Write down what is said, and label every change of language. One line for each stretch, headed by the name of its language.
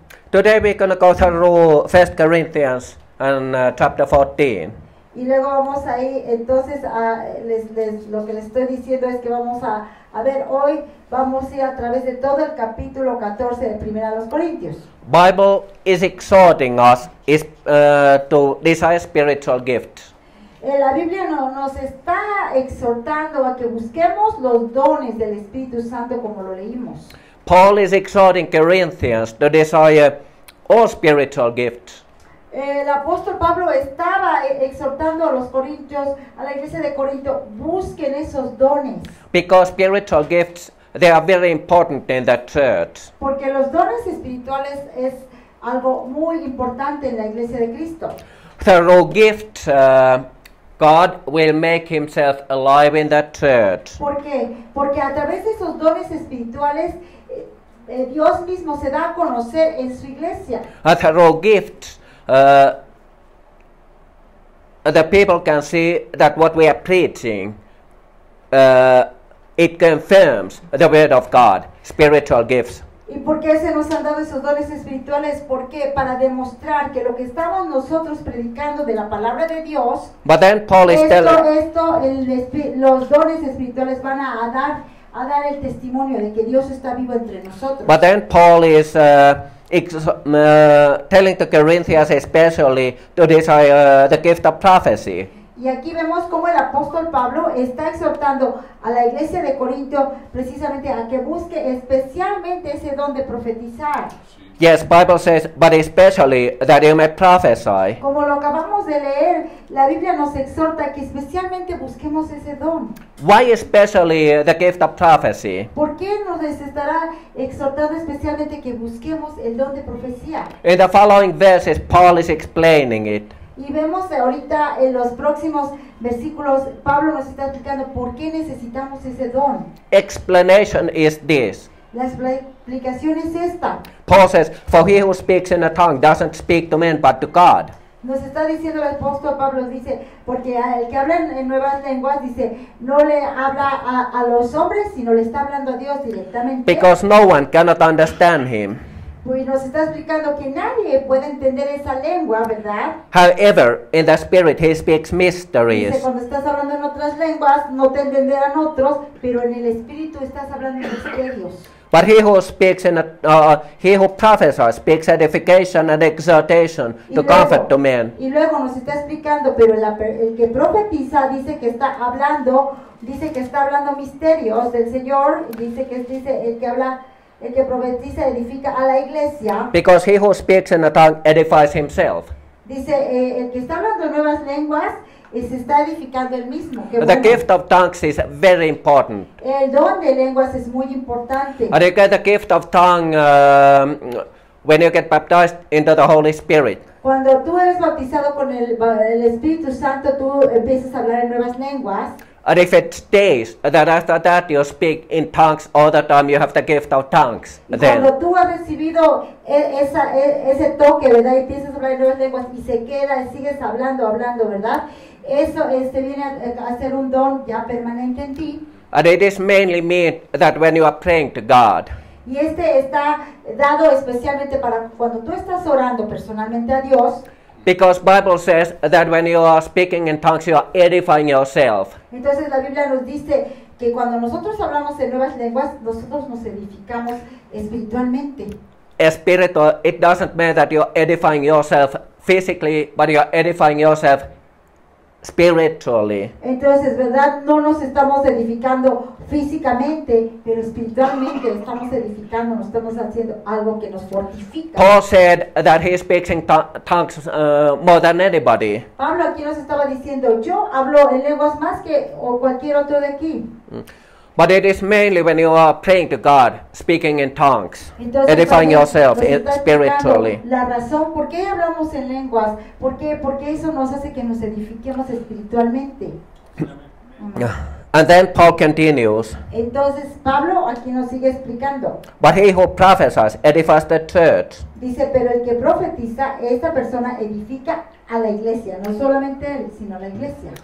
English: Today we're going to go through 1 Corinthians and chapter 14.
Spanish: Y luego vamos ahí, entonces lo que les estoy diciendo es que vamos a ver hoy, vamos a ir a través de todo el capítulo 14 de Primera a los Corintios.
English: Bible is exhorting us to desire spiritual gifts.
Spanish: La Biblia nos está exhortando a que busquemos los dones del Espíritu Santo como lo leímos.
English: Paul is exhorting Corinthians to desire all spiritual gifts.
Spanish: El apóstol Pablo estaba exhortando a los corintios, a la iglesia de Corinto, busquen esos dones.
English: Because spiritual gifts, they are very important in the church.
Spanish: Porque los dones espirituales es algo muy importante en la iglesia de Cristo.
English: Through gifts, God will make himself alive in the church.
Spanish: ¿Por qué? Porque a través de esos dones espirituales, Dios mismo se da a conocer en su iglesia.
English: And through gifts, the people can see that what we are preaching, it confirms the word of God, spiritual gifts.
Spanish: ¿Y por qué se nos han dado esos dones espirituales? ¿Por qué? Para demostrar que lo que estamos nosotros predicando de la palabra de Dios,
English: but then Paul is telling,
Spanish: los dones espirituales van a dar el testimonio de que Dios está vivo entre nosotros.
English: But then Paul is telling the Corinthians especially to desire the gift of prophecy.
Spanish: Y aquí vemos cómo el apóstol Pablo está exhortando a la iglesia de Corinto precisamente a que busque especialmente ese don de profetizar.
English: Yes, Bible says, but especially that you may prophesy.
Spanish: Como lo acabamos de leer, la Biblia nos exhorta que especialmente busquemos ese don.
English: Why especially the gift of prophecy?
Spanish: ¿Por qué nos estará exhortando especialmente que busquemos el don de profecía?
English: In the following verses, Paul is explaining it.
Spanish: Y vemos ahorita en los próximos versículos, Pablo nos está explicando por qué necesitamos ese don.
English: Explanation is this.
Spanish: La explicación es esta.
English: Paul says, for he who speaks in a tongue doesn't speak to men but to God.
Spanish: Nos está diciendo el apóstol Pablo, dice, porque el que habla en nuevas lenguas, dice, no le habla a los hombres, sino le está hablando a Dios directamente.
English: Because no one cannot understand him.
Spanish: Y nos está explicando que nadie puede entender esa lengua, ¿verdad?
English: However, in the spirit he speaks mysteries.
Spanish: Dice, cuando estás hablando en otras lenguas, no te entenderán otros, pero en el espíritu estás hablando en misterios.
English: But he who speaks in he who prophesies speaks edification and exhortation to comfort to men.
Spanish: Y luego nos está explicando, pero el que profetiza dice que está hablando misterios del Señor, dice que el que habla El que profetiza edifica a la iglesia.
English: Because he who speaks in a tongue edifies himself.
Spanish: Dice, el que está hablando nuevas lenguas y se está edificando el mismo. Qué bueno.
English: The gift of tongues is very important.
Spanish: El don de lenguas es muy importante.
English: And you get the gift of tongue when you get baptized into the Holy Spirit.
Spanish: Cuando tú eres bautizado con el Espíritu Santo, tú empiezas a hablar en nuevas lenguas.
English: And if it stays, then after that you speak in tongues all the time, you have the gift of tongues. Then.
Spanish: Cuando tú has recibido ese toque, ¿verdad? Y empiezas a hablar en nuevas lenguas y se queda y sigues hablando, ¿verdad? Eso viene a ser un don ya permanente en ti.
English: And it is mainly meant that when you are praying to God.
Spanish: Y está dado especialmente para cuando tú estás orando personalmente a Dios.
English: Because Bible says that when you are speaking in tongues, you are edifying yourself.
Spanish: Entonces la Biblia nos dice que cuando nosotros hablamos en nuevas lenguas, nosotros nos edificamos espiritualmente.
English: Espiritual, it doesn't mean that you are edifying yourself physically, but you are edifying yourself spiritually.
Spanish: Entonces, ¿verdad? No nos estamos edificando físicamente, pero espiritualmente estamos edificando, nos estamos haciendo algo que nos fortifica.
English: Paul said that he speaks in tongues more than anybody.
Spanish: Pablo aquí nos estaba diciendo, yo hablo en lenguas más que o cualquier otro de aquí.
English: But it is mainly when you are praying to God, speaking in tongues, entonces, edifying yourself spiritually.
Spanish: La razón por qué hablamos en lenguas, porque eso nos hace que nos edifiquemos espiritualmente.
English: And then Paul continues.
Spanish: Entonces Pablo aquí nos sigue explicando.
English: But he who prophesies edifies the church.
Spanish: Dice, pero el que profetiza, esta persona edifica a la iglesia, no solamente él, sino la iglesia.